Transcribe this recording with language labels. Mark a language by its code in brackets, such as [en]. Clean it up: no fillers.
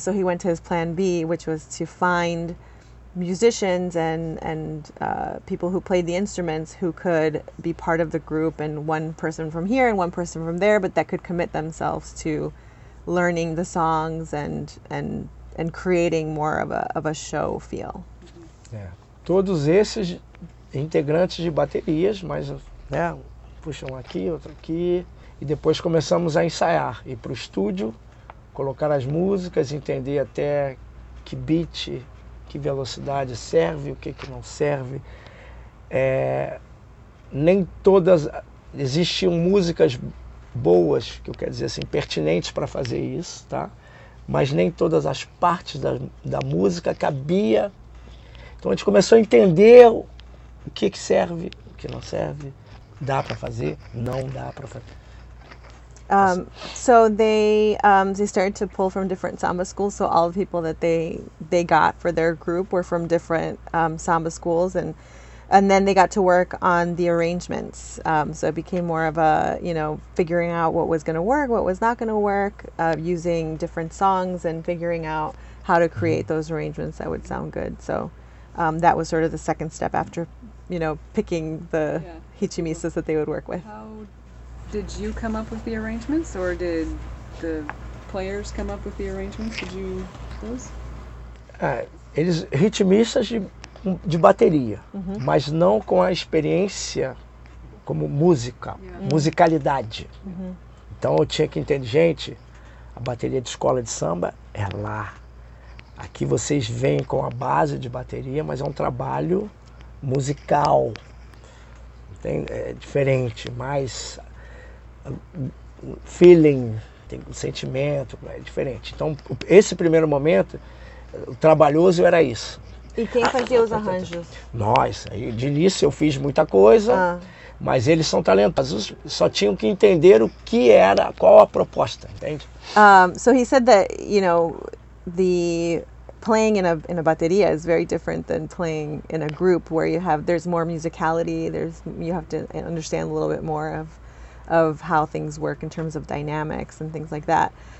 [en] So he went to his plan B, which was to find musicians and people who played the instruments who could be part of the group, and one person from here and one person from there, but that could commit themselves to learning the songs and creating more of a show feel. Mm-hmm. Yeah. [pt] Todos esses integrantes de baterias, mas, né, puxa um aqui, outro aqui, e depois começamos a ensaiar, ir para o estúdio, colocar as músicas, entender até que beat, que velocidade serve, o que não serve. Nem todas, existiam músicas boas, que eu quero dizer assim, pertinentes para fazer isso, tá? Mas nem todas as partes da música cabia. Então a gente começou a entender o que serve, o que não serve. Dá para fazer? Não dá para fazer. [en] So they started to pull from different samba schools. So all the people that they got for their group were from different samba schools, and then they got to work on the arrangements. So it became more of a, you know, figuring out what was going to work, what was not going to work, using different songs and figuring out how to create those arrangements that would sound good. So that was sort of the second step after, you know, picking the hichimisas that they would work with. How did you come up with the arrangements, or did the players come up with the arrangements? Did you those? [pt] Eles hichimisas de de bateria, mas não com a experiência como música, musicalidade. Então eu tinha que entender, gente, a bateria de escola de samba é lá. Aqui vocês vêm com a base de bateria, mas é um trabalho musical. Tem, é diferente, mais feeling, tem sentimento, é diferente. Então, esse primeiro momento, o trabalhoso era isso. E quem fazia os arranjos? Nós. De início eu fiz muita coisa, mas eles são talentosos. Só tinham que entender o que era, qual a proposta, entende? [en] So he said that, you know, the playing in a bateria is very different than playing in a group where you have, there's more musicality, there's, you have to understand a little bit more of how things work in terms of dynamics and things like that.